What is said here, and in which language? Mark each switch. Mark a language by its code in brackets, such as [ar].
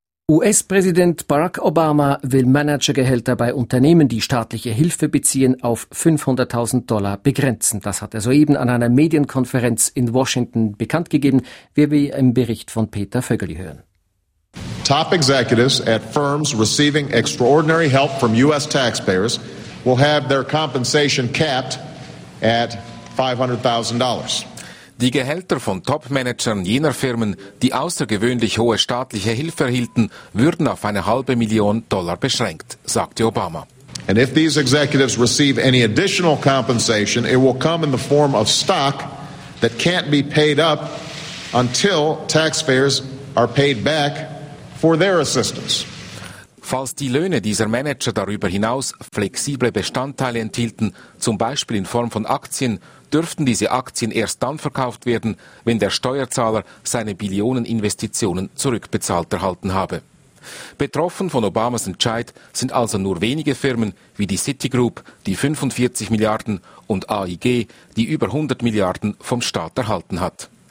[de] US-Präsident Barack Obama will Managergehälter bei Unternehmen, die staatliche Hilfe beziehen, auf $500,000 begrenzen. Das hat er soeben an einer Medienkonferenz in Washington bekannt gegeben, wie wir im Bericht von Peter Vögeli hören. [en] Top executives at firms receiving extraordinary help from US taxpayers will have their compensation capped at $500,000. [de] Die Gehälter von Top-Managern jener Firmen, die außergewöhnlich hohe staatliche Hilfe erhielten, würden auf eine halbe Million Dollar beschränkt, sagte Obama. [en] And if these executives receive any additional compensation, it will come in the form of stock that can't be paid up until taxpayers are paid back for their assistance. [de] Falls die Löhne dieser Manager darüber hinaus flexible Bestandteile enthielten, zum Beispiel in Form von Aktien, dürften diese Aktien erst dann verkauft werden, wenn der Steuerzahler seine Billioneninvestitionen zurückbezahlt erhalten habe. Betroffen von Obamas Entscheid sind also nur wenige Firmen wie die Citigroup, die 45 Milliarden, und AIG, die über 100 Milliarden vom Staat erhalten hat.